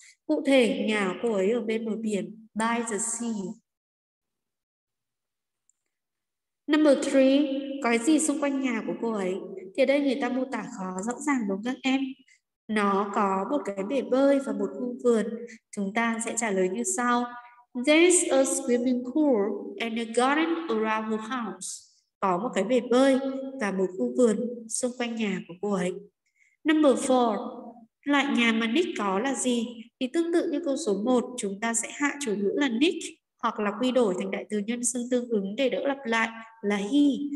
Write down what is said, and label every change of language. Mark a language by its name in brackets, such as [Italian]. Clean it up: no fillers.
[Vietnamese] Cụ thể, nhà cô ấy ở bên bờ biển, [English] by the sea. Number 3, [Vietnamese] có gì xung quanh nhà của cô ấy? Thì đây người ta mô tả khó rõ ràng đúng không các em? Nó có một cái bể bơi và một khu vườn. Chúng ta sẽ trả lời như sau. [English] There's a swimming pool and a garden around the house. [Vietnamese] Có một cái bể bơi và một khu vườn xung quanh nhà của cô ấy. [English] Number 4. [Vietnamese] Loại nhà mà Nick có là gì? Thì tương tự như câu số 1, chúng ta sẽ hạ chủ ngữ là Nick hoặc là quy đổi thành đại từ nhân xưng tương ứng để đỡ lặp lại là he.